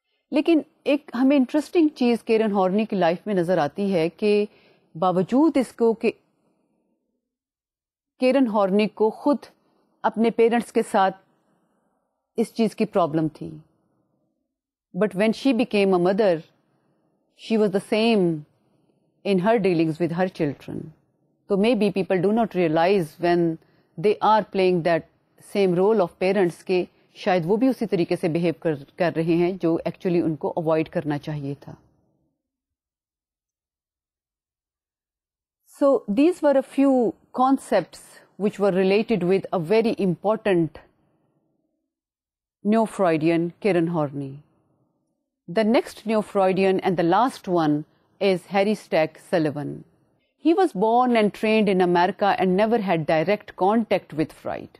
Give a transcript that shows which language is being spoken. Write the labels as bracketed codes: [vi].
[ur] لیکن ایک ہمیں انٹرسٹنگ چیز کیرن ہارنی کی لائف میں نظر آتی ہے کہ باوجود اس کو کہ کیرن ہارنی کو خود اپنے پیرنٹس کے ساتھ اس چیز کی پرابلم تھی, [en] But when she became a mother she was the same in her dealings with her children. [ur] تو [en] maybe people do not realise when they are playing that same role of parents [ur] کے شاید وہ بھی اسی طریقے سے behave کر رہے ہیں جو ایکچولی ان کو اوائڈ کرنا چاہیے تھا. [en] So these were a few concepts which were related with a very important neo-Freudian, Karen Horney. The next neo-Freudian and the last one is Harry Stack Sullivan. He was born and trained in America and never had direct contact with Freud.